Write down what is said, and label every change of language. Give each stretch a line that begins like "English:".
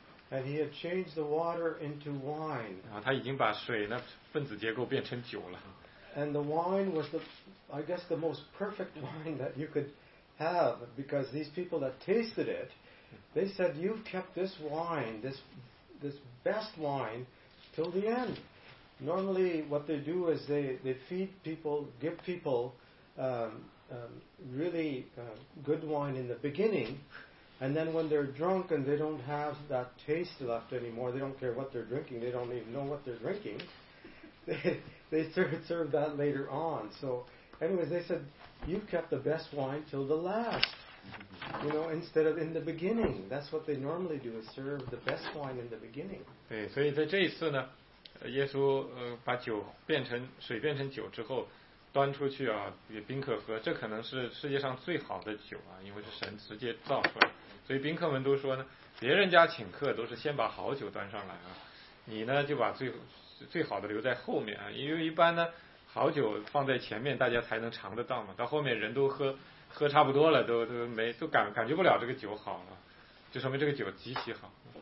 English: And he had changed the water into wine.
Chinese: 然后他已经把水呢分子结构变成酒了。
English: And the wine was the, I guess, the most perfect wine that you could have, because these people that tasted it, they said, "You've kept this wine, this best wine, till the end." Normally, what they do is they feed people, give people good wine in the beginning. And then when they're drunk and they don't have that taste left anymore, they don't care what they're drinking, they don't even know what they're drinking, they serve that later on. So anyways, they said, you kept the best wine till the last, you know, instead of in the beginning. That's what they normally do, is serve the best wine in the beginning.
Chinese: 对，所以在这一次呢，耶稣把酒变成水变成酒之后端出去啊，给宾客喝，这可能是世界上最好的酒啊，因为是神直接造出来，所以宾客们都说呢，别人家请客都是先把好酒端上来啊，你呢就把最好的留在后面啊，因为一般呢好酒放在前面大家才能尝得到嘛，到后面人都喝差不多了，都感觉不了这个酒好了，就说明这个酒极其好。